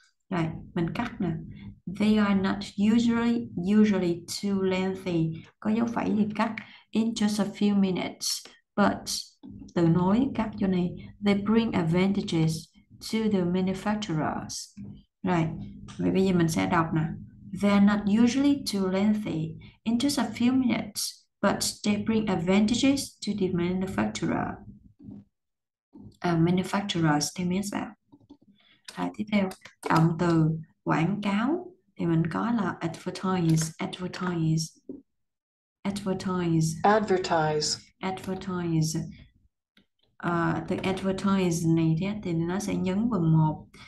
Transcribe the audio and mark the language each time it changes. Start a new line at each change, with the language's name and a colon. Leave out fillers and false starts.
Vietnamese: Rồi mình cắt nè.
English: They are not usually too lengthy.
Vietnamese: Có dấu phẩy thì cắt.
English: In just a few minutes, but
Vietnamese: từ nối cắt chỗ này.
English: They bring advantages to the manufacturers.
Vietnamese: Rồi vậy bây giờ mình sẽ đọc nè.
English: They're not usually too lengthy. In just a few minutes, but they bring advantages to the manufacturer.
Vietnamese: Manufacturers thì miễn sao. Rồi, tiếp theo, động từ quảng cáo thì mình có là
English: Advertise. advertise.
Vietnamese: Từ advertise này thì nó sẽ nhấn vần một.